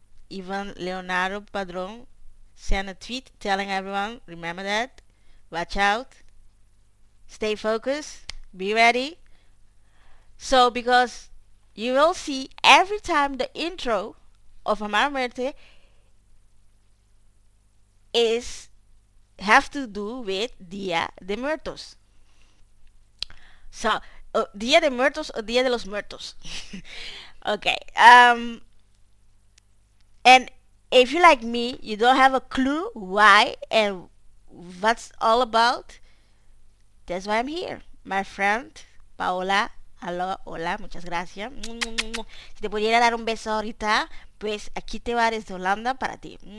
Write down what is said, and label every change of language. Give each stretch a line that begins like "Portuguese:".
English: Even Leonardo Padrón sent a tweet telling everyone, remember that, watch out, stay focused, be ready. So, because you will see every time the intro of Amara Muerte is, have to do with Día de Muertos. So, Día de Muertos or Día de los Muertos. Okay. And if you like me, you don't have a clue why and what's all about, that's why I'm here. My friend Paola
Spanish: Aló, hola, muchas gracias. Si te pudiera dar un beso ahorita, pues aquí te va desde Holanda para ti.